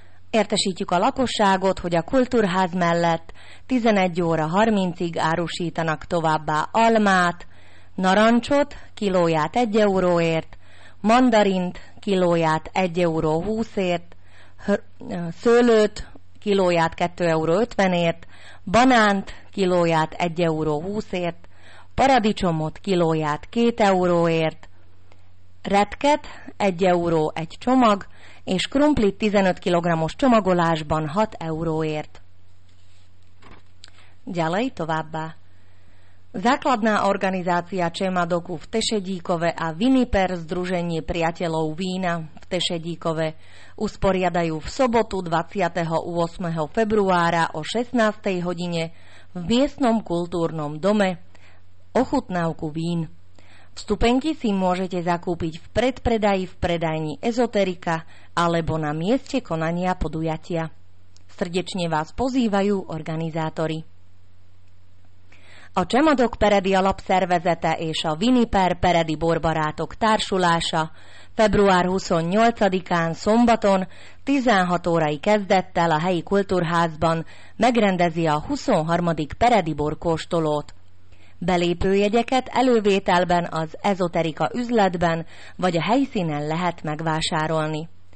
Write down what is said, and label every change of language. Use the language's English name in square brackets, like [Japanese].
[Hungarian] Értesítjük a lakosságot, hogy a Kultúrház mellett 11:30-ig árusítanak továbbá almát, narancsot kilóját 1 euróért, mandarint kilóját 1,20 €, szőlőt kilóját 2,50 €, banánt kilóját 1,20 €, paradicsomot kilóját 2 euróért, retket 1 euró egy csomag, és krumplit 15 kg-os csomagolásban 6 euróért. [Slovak] Ďalej [Hungarian] továbbá. [Slovak] Základná organizácia Čemadoku v Tešedíkove a Viniper Združenie priateľov vína v Tešedíkove usporiadajú v sobotu 28. februára o 16. hodine v miestnom kultúrnom dome ochutnávku vín. Vstupenky si môžete zakúpiť v predpredaji v predajni Ezoterika alebo na mieste konania podujatia. Srdečne vás pozývajú organizátori. [Hungarian] A Csemadok Peredi Alapszervezete és a Viniper Peredi Borbarátok Társulása február 28-án szombaton 16 órai kezdettel a helyi kultúrházban megrendezi a 23. Peredi Borkóstolót. Belépőjegyeket elővételben az Ezoterika üzletben vagy a helyszínen lehet megvásárolni.